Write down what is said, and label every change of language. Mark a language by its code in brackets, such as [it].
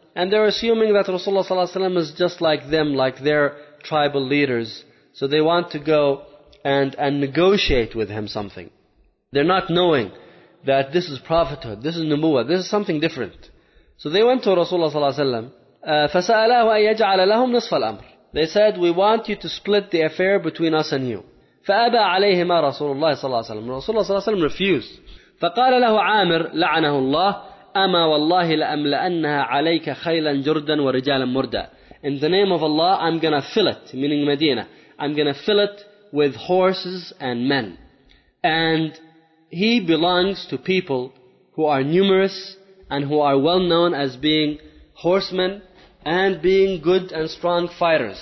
[en] And they're assuming that Rasulullah sallallahu alaihi wasallam is just like them, like their tribal leaders. So they want to go and negotiate with him something. They're not knowing that this is prophethood, this is nubuwwah, this is something different. So they went to Rasulullah sallallahu alaihi wasallam. [ar] فسألاه أن يجعل لهم نصف الأمر. [en] They said, we want you to split the affair between us and you. [ar] فأبى عليهما رسول الله صلى الله عليه وسلم. رسول الله صلى الله عليه وسلم refused. فقال له عامر لعنه الله أما والله لأملأنها عليك خيلا جردا ورجالا مردا. [en] In the name of Allah, I'm gonna fill it, meaning Medina. I'm gonna fill it with horses and men. And he belongs to people who are numerous and who are well known as being horsemen and being good and strong fighters.